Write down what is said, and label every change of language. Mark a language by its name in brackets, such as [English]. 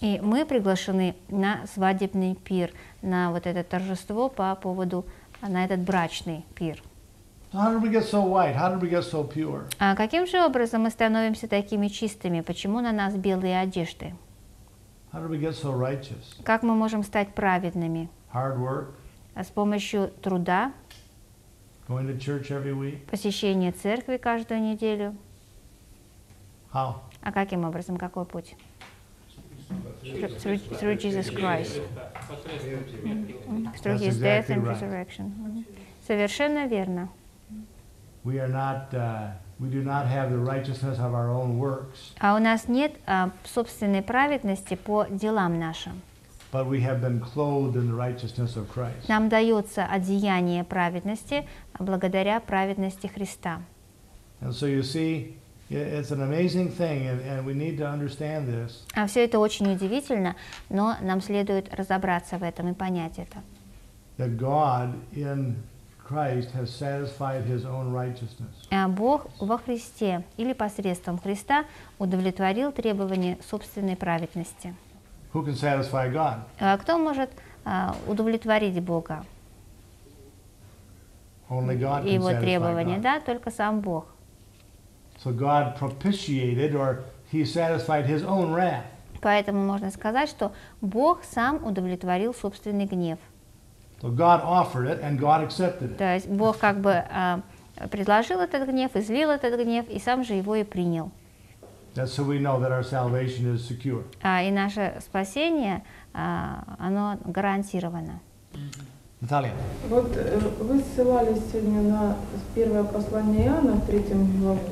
[Russian] И мы приглашены на свадебный пир, на вот это торжество по поводу, на этот брачный пир. [English] How did we get so white? How did we get so pure? [Russian] Каким же образом мы становимся такими чистыми? Почему на нас белые одежды? [English] How did we get so righteous? [Russian] Как мы можем стать праведными? [English] Hard work. [Russian] С помощью труда. [English] Going to church every week. [Russian] Посещение церкви каждую неделю. [English] How? [Russian] А каким образом, какой путь? [English] Through Jesus Christ. Through his exactly death and right. Resurrection. Mm-hmm. [Russian] Совершенно верно. [English] We are not we do not have the righteousness of our own works. [Russian] А у нас нет собственной праведности по делам нашим. [English] But we have been clothed in the righteousness of Christ. [Russian] Нам дается одеяние праведности благодаря праведности Христа. [English] And so you see, it's an amazing thing, and we need to understand this. [Russian] А все это очень удивительно, но нам следует разобраться в этом и понять это. [English] That God in Christ has satisfied His own righteousness. [Russian] Бог во Христе или посредством Христа удовлетворил требования собственной праведности. [English] Who can satisfy God? [Russian] Кто может удовлетворить Бога? [English] Only God can satisfy God. [Russian] Его требования, да, только сам Бог. [English] So God propitiated, or He satisfied His own wrath. [Russian] Поэтому можно сказать, что Бог сам удовлетворил собственный гнев. [English] So God offered it, and God accepted it. [Russian] То есть Бог как бы предложил этот гнев, излил этот гнев, и сам же его и принял. [English] That's how we know that our salvation is secure. [Russian] И наше спасение, оно гарантировано. Наталья. Вот вы ссылались сегодня на первое послание Иоанна в 3 главе.